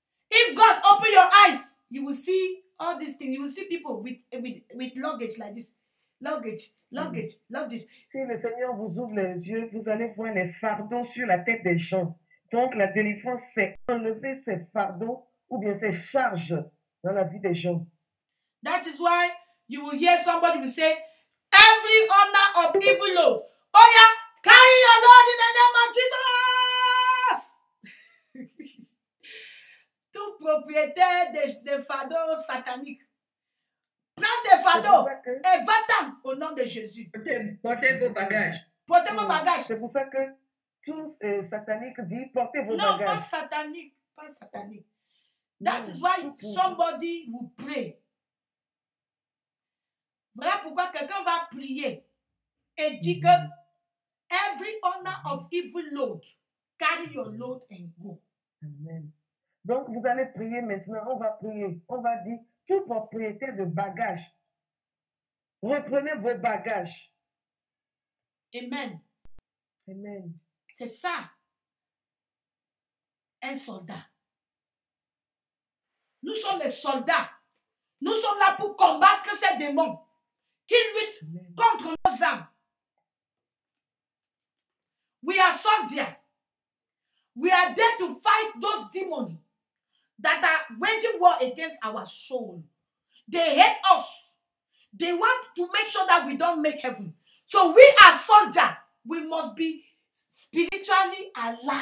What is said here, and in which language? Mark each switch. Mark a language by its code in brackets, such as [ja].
[en] If God open your eyes, you will see all these things. You will see people with luggage like this. Luggage. [fr] Si le Seigneur vous ouvre les yeux, vous allez voir les fardeaux sur la tête des gens. Donc la délivrance, c'est enlever ces fardeaux ou bien ces charges dans la vie des gens. [en] That is why you will hear somebody will say, every honor of evil load. Oh yeah, carry your load in the name of Jesus. [fr] Tout propriétaire des fardeaux sataniques. Prends des fardeaux et va-t'en au nom de Jésus. Portez vos bagages. Portez vos bagages. C'est pour ça que tout satanique dit portez vos bagages. Non, pas satanique. [en] That is why somebody will pray. [fr] Voilà pourquoi quelqu'un va prier et dit que [en] every owner of evil load, carry your load and go. Amen. [fr] Donc vous allez prier maintenant, on va prier. On va dire, tout propriétaire de bagages, reprenez vos bagages. Amen. Amen. C'est ça. Un soldat. Nous sommes les soldats. Nous sommes là pour combattre ces démons qui luttent contre nos âmes. [en] We are soldiers. We are there to fight those demons that are waging war against our soul. They hate us. They want to make sure that we don't make heaven. So we are soldiers. We must be spiritually alert.